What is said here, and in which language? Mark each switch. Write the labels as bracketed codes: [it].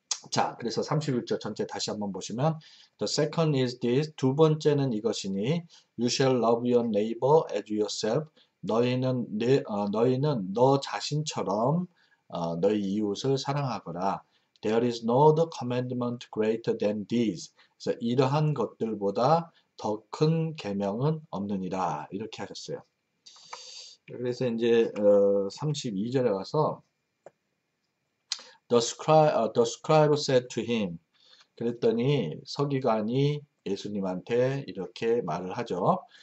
[ko] 자, 그래서 31절 전체 다시 한번 보시면 [en] The second is this. [ko] 두 번째는 이것이니 [en] You shall love your neighbor as yourself. [ko] 너희는 너 자신처럼 너희 이웃을 사랑하거라. [en] There is no other commandment greater than these. [ko] 그래서 이러한 것들보다 더큰 계명은 없느니라. 이렇게 하셨어요. 그래서 이제 32절에 가서 [en] The scribe said to him. [ko] 그랬더니 서기관이 예수님한테 이렇게 말을 하죠.